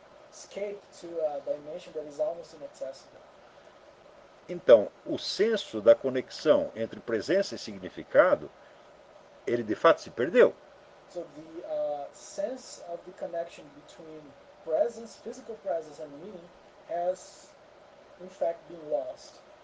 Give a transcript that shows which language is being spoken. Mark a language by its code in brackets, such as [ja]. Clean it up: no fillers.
[en] Escape to a dimension that is almost inaccessible. [pt] Então, o senso da conexão entre presença e significado, ele de fato se perdeu. [en] So the sense of the connection between presence, physical presence and meaning has in fact been lost.